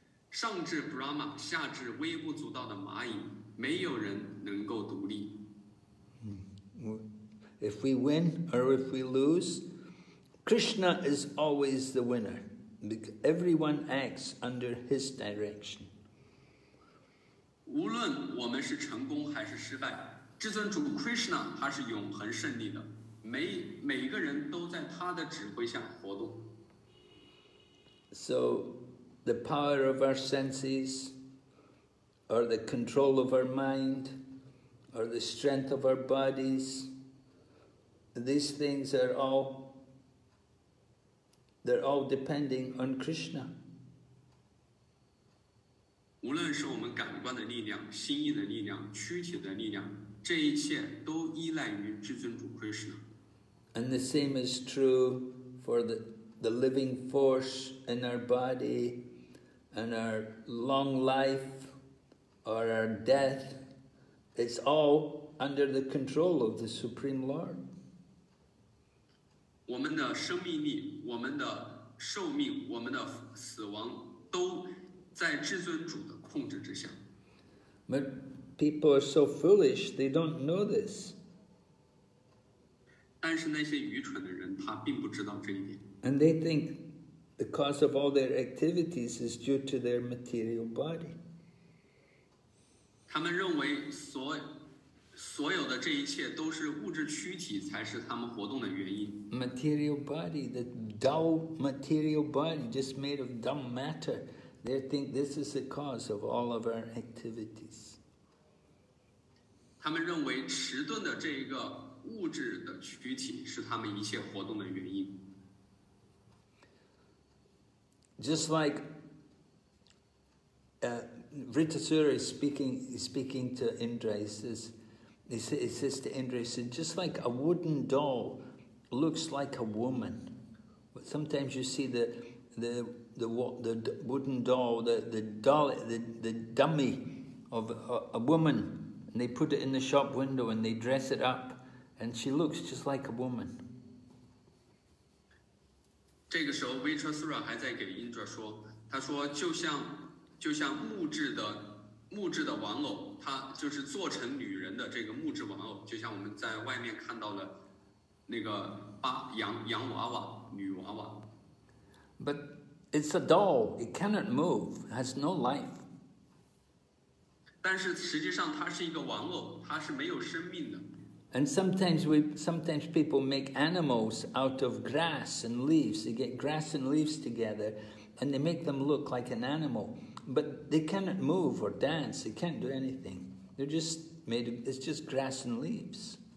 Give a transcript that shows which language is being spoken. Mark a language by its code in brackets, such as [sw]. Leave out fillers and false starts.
[zh] 上至 Brahma, 下至微不足道的蚂蚁，没有人能够独立。 [en] If we win or if we lose,Krishna is always the winner because everyone acts under his direction. [zh] 无论我们是成功还是失败，至尊主 Krishna 他是永恒胜利的，每个人都在他的指挥下活动。 [en] So the power of our senses, or the control of our mind, or the strength of our bodies, these things are all. They're all depending on Krishna. [zh] 无论是我们感官的力量、心意的力量、躯体的力量，这一切都依赖于至尊主 Krishna. [en] And the same is true for the the living force in our body and our long life or our death, it's all under the control of the Supreme Lord. [zh] 我们的生命力，我们的寿命，我们的死亡，都在至尊主的控制之下。 [en] But people are so foolish, they don't know this. [zh] 但是那些愚蠢的人，他并不知道这一点。 [en] And they think the cause of all their activities is due to their material body. [zh] 他们认为所有的这一切都是物质躯体才是他们活动的原因。 [en] Material body, the dull material body, just made of dumb matter. They think this is the cause of all of our activities. [zh] 他们认为迟钝的这个物质的躯体是他们一切活动的原因。 [en] Just like Vritasura is speaking to Indra, he says to Indra, he said, just like a wooden doll looks like a woman. But sometimes you see the wooden doll, the dummy of a woman, and they put it in the shop window and they dress it up, and she looks just like a woman. [zh] 这个时候威车斯拉还在给印者说，他说就像木质的玩偶，他就是做成女人的这个木质玩偶，就像我们在外面看到了那个洋娃娃，女娃娃。 [en] But it's a doll, it cannot move, has no life. [zh] 但是实际上它是一个玩偶，它是没有生命的。 [en] And sometimes people make animals out of grass and leaves. They get grass and leaves together and they make them look like an animal. But they cannot move or dance. They can't do anything. They're just made of, it's just grass and leaves.